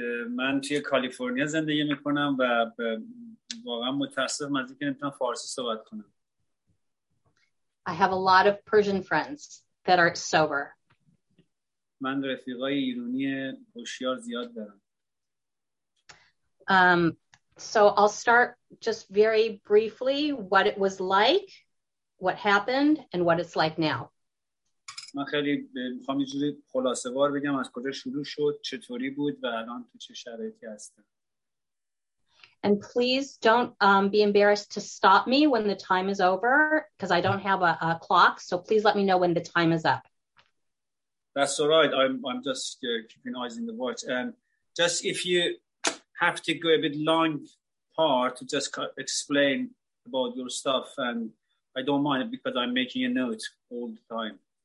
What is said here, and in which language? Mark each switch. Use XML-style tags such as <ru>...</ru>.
<fa>من توی کالیفرنیا زندگی میکنم و واقعا متاسفم از اینکه نمیتونم فارسی صحبت کنم.</fa> <en>I have a lot of Persian friends that are sober.</en> <fa>من رفیقای ایرانی هوشیار زیاد دارم.</fa> <en>So I'll start just very briefly what it was like, what happened, and what it's like now.</en> <fa>من خیلی میخوام یه جوری خلاصه وار بگم از کجا شروع شد، چطوری بود و الان تو چه شرایطی هستم.</fa> <en>And please don't be embarrassed to stop me when the time is over, because I don't have a clock, so please let me know when the time is up. That's all right. I'm just keeping eyes in the watch. And just if you have to go a bit long part to just explain about your stuff, and I don't mind because I'm making a note all the time.</en>